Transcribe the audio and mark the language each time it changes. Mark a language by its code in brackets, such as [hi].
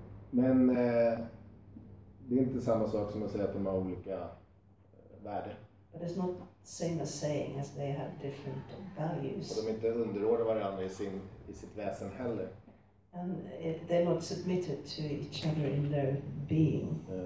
[sv] men det är inte samma sak som att säga att de har olika värde. [en] But it's not same as saying as they have different values. [sv] Och de inte underordnar varandra i sitt väsen heller. [en] And they're not submitted to each other in their being.